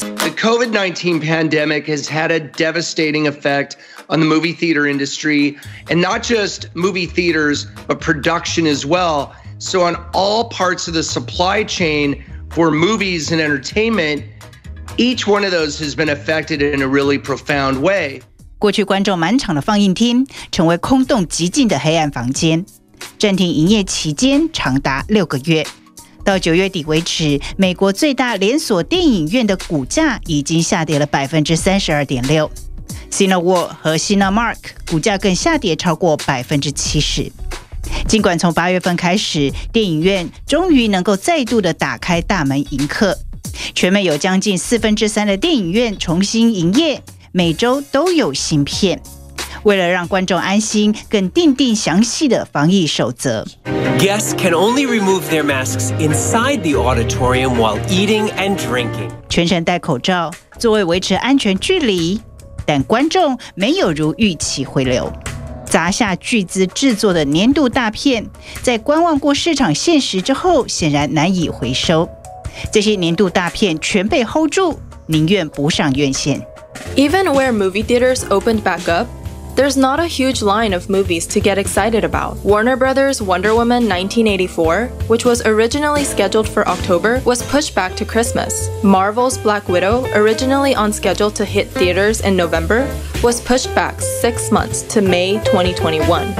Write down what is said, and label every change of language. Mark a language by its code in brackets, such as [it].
[en] The COVID-19 pandemic has had a devastating effect on the movie theater industry, and not just movie theaters, but production as well. So on all parts of the supply chain for movies and entertainment, each one of those has been affected in a really profound way. [zh] 过去观众满场的放映厅成为空洞寂静的黑暗房间，暂停营业期间长达6个月。到九月底为止，美国最大连锁电影院的股价已经下跌了32.6%。 Cineworld 和 Cinemark 股价更下跌超过70%。尽管从八月份开始，电影院终于能够再度的打开大门迎客，全美有将近3/4的电影院重新营业，每周都有新片。为了让观众安心，更订定详细的防疫守则。 [en] Guests can only remove their masks inside the auditorium while eating and drinking. [zh] 全程戴口罩，座位维持安全距离。但观众没有如预期回流，砸下巨资制作的年度大片，在观望过市场现实之后，显然难以回收。这些年度大片全被 hold 住，宁愿不上院线。 [en] Even where movie theaters opened back up, there's not a huge line of movies to get excited about. Warner Brothers' Wonder Woman 1984, which was originally scheduled for October, was pushed back to Christmas. Marvel's Black Widow, originally on schedule to hit theaters in November, was pushed back 6 months to May 2021.